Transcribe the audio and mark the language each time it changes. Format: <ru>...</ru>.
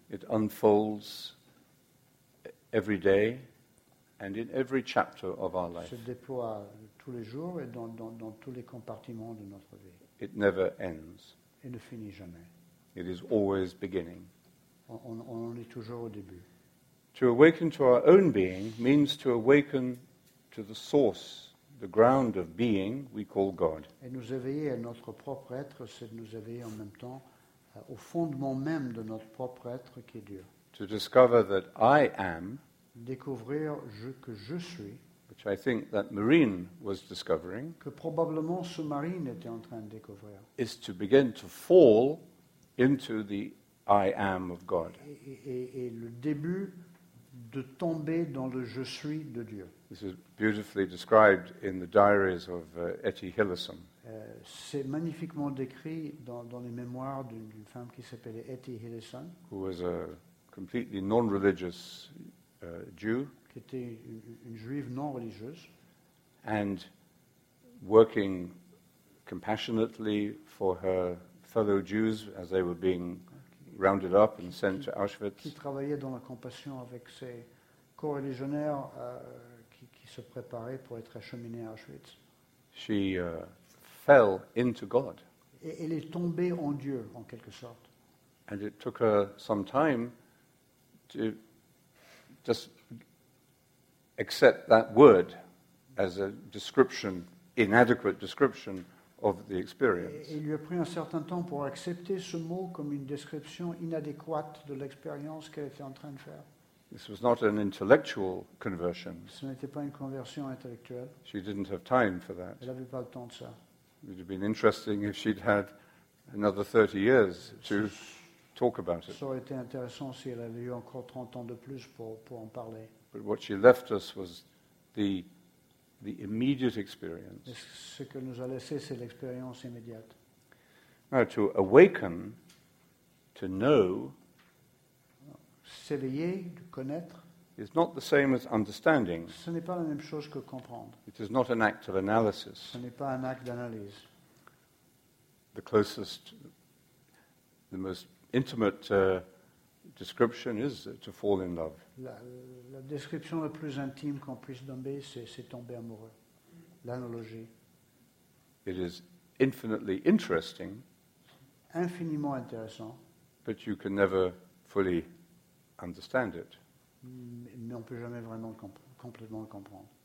<en>It unfolds every day and in every chapter of our life.</en> <fr>Se déploie tous les jours et dans tous les compartiments de notre vie.</fr> <en>It never ends.</en> <fr>Et ne finit jamais.</fr> <en>It is always beginning.</en> <fr>On en est toujours au début.</fr> <en>To awaken to our own being means to awaken to the source. The ground of being we call God.</en> <fr>Et nous éveiller à notre propre être, c'est de nous éveiller en même temps au fondement même de notre propre être qui est Dieu.</fr> <en>To discover that I am,</en> <fr>découvrir que je suis,</fr> <en>which I think that marine was discovering,</en> <fr>que probablement ce marine était en train de découvrir,</fr> <en>is to begin to fall into the I am of God.</en> <fr>Et le début de tomber dans le je suis de Dieu.</fr> <en>This is beautifully described in the diaries of Etty Hillesum.</en> <fr>C'est magnifiquement décrit dans les mémoires d'une femme qui s'appelait Etty Hillesum,</fr> <en>who was a completely non-religious Jew,</en> <fr>qui était une juive non religieuse,</fr> <en>and working compassionately for her fellow Jews as they were being rounded up and sent to Auschwitz.</en> <fr>Qui travaillait dans la compassion avec ses co-religionnaires. Se préparer pour être acheminée à Auschwitz.</fr> <en>She fell into God.</en> <fr>Et elle est tombée en Dieu, en quelque sorte.</fr> <en>And it took her some time to just accept that word. as a description, inadequate description of the experience.</en> <fr>Et il lui a pris un certain temps pour accepter ce mot comme une description inadéquate de l'expérience qu'elle était en train de faire.</fr> <en>This was not an intellectual conversion.</en> <fr>Ce n'était pas une conversion intellectuelle.</fr> <en>She didn't have time for that.</en> <fr>Elle n'avait pas le temps de ça.</fr> <en>It would have been interesting if she'd had another 30 years to talk about it.</en> <fr>Ça aurait été intéressant si elle avait eu encore 30 ans de plus pour en parler.</fr> <en>But what she left us was the immediate experience.</en> <fr>Et ce qu'elle nous a laissé, c'est l'expérience immédiate.</fr> <en>Now, to awaken, to know,</en> <fr>s'éveiller, de connaître,</fr> <en>is not the same as understanding.</en> <fr>Ce n'est pas la même chose que comprendre.</fr> <en>It is not an act of analysis.</en> <fr>Ce n'est pas un acte d'analyse.</fr> <en>The closest, the most intimate description is to fall in love.</en> <fr>La description la plus intime qu'on puisse donner, c'est tomber amoureux. L'analogie.</fr> <en>It is infinitely interesting.</en> <fr>Infiniment intéressant.</fr> <en>But you can never fully understand it.</en> <fr>Mais on ne peut jamais vraiment complètement le comprendre.</fr>